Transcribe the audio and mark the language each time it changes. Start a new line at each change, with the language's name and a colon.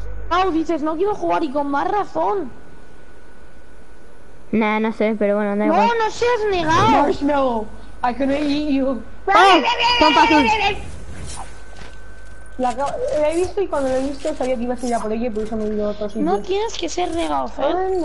Spanish: No, dices, no quiero jugar y con más razón. Nah, no sé, pero bueno, da igual. No, no seas negado.
English: Marshmallow, I can eat you.
Spanish: ¡Oh! ¡Tompa azul! La he visto y cuando la he visto sabía que ibas a ir a por ella, por eso me he ido a otro sitio. No tienes que ser regao, Fer.